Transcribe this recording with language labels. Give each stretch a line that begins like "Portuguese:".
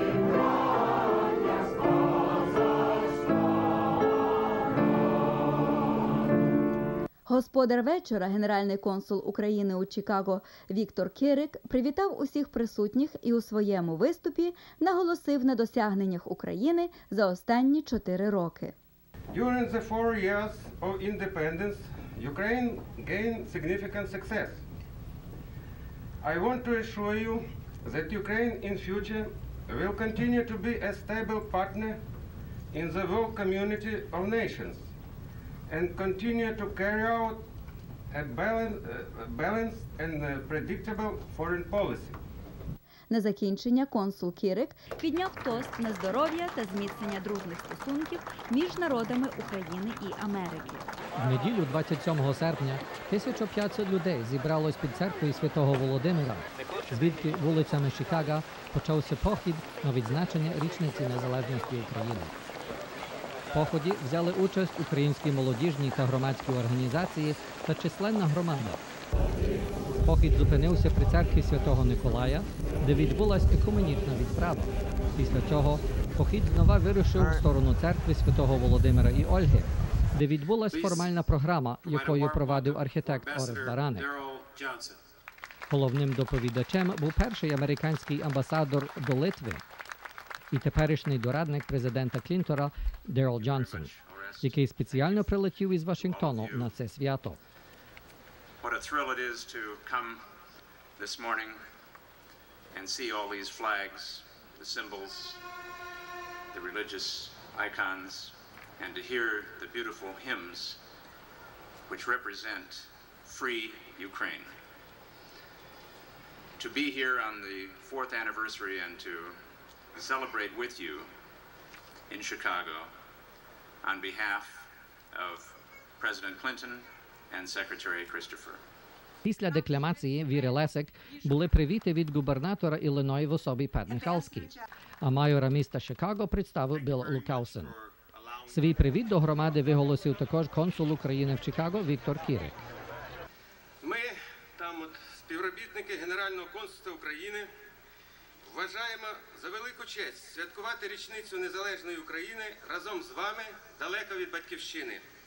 Ukrainian: Покажем, що ми, Господар вечора, генеральний консул України у Чикаго Віктор Кирик, привітав усіх присутніх і у своєму виступі наголосив на досягненнях України за останні 4 роки.
English: During the 4 years of independence, Ukraine gained significant success. I want to assure you that Ukraine in future will continue to be a stable partner in the world community of nations. And continue to carry out a balanced and predictable foreign policy.
Ukrainian: На закінчення консул Кирик підняв тост на здоров'я та зміцнення дружніх стосунків між народами України і Америки. В неділю 27 серпня 1500 людей зібралось під церквою Святого Володимира, звідки вулицями Чикаго почався похід на відзначення річниці незалежності України. В поході взяли участь українські молодіжні та громадські організації та численна громада. Похід зупинився при церкві Святого Миколая, де відбулась екуменічна відправа. Після цього похід знову вирушив в сторону церкви Святого Володимира і Ольги, де відбулась формальна програма, якою провадив архітект Орест Баранек. Головним доповідачем був перший американський амбасадор до Литви і теперішній дорадник президента Клінтона Дерел Джонсон, який спеціально прилетів із Вашингтону на це свято.
English: What a thrill it is to come this morning and see all these flags, the symbols, the religious icons, and to hear the beautiful hymns which represent free Ukraine. To be here on the 4th anniversary and to celebrate with you in Chicago on behalf of President Clinton and Secretary Christopher.
Ukrainian: Після декламації Віри Лесик були привіти від губернатора Іллінойу в особі Пет Михалський, а майора міста Чикаго представив Білл Лукаусен. Свій привіт до громади виголосив також консул України в Чикаго Віктор Кирик. Ми там от співробітники Генерального консульства України вважаємо за велику честь святкувати річницю незалежної України разом з вами далеко від батьківщини.